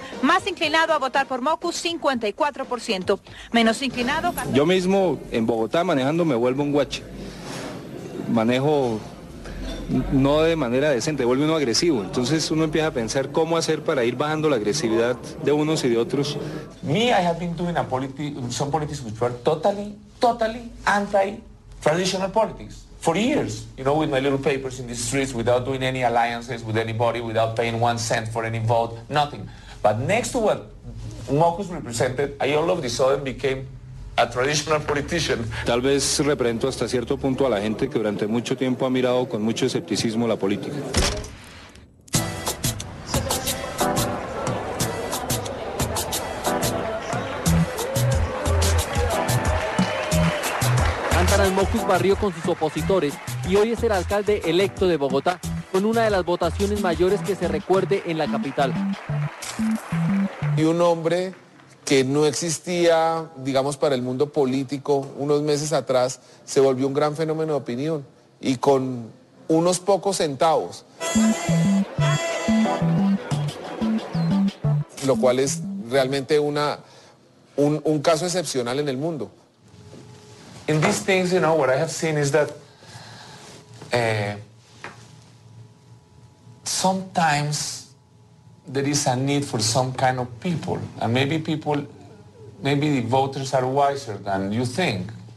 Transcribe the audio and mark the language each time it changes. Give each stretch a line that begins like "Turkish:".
Spanish: Más inclinado a votar por Mocus, 54%. Menos inclinado... Yo mismo en Bogotá manejando me vuelvo un guache. Manejo no de manera decente, vuelve uno agresivo. Entonces uno empieza a pensar cómo hacer para ir bajando la agresividad de unos y de otros.
English: Me, I have been doing a politics, some politics which were totally anti-traditional politics. For years, you know, with my little papers in the streets, without doing any alliances with anybody, without paying 1 cent for any vote, nothing. But next to what Mocus represented, I all of a sudden became a traditional politician.
Spanish: Tal vez represento hasta cierto punto a la gente que durante mucho tiempo ha mirado con mucho escepticismo la política. Mocus barrió con sus opositores y hoy es el alcalde electo de Bogotá, con una de las votaciones mayores que se recuerde en la capital. Y un hombre que no existía, digamos, para el mundo político unos meses atrás, se volvió un gran fenómeno de opinión y con unos pocos centavos. Lo cual es realmente un caso excepcional en el mundo.
English: In these things, you know, what I have seen is that sometimes there is a need for some kind of people. And maybe the voters are wiser than you think.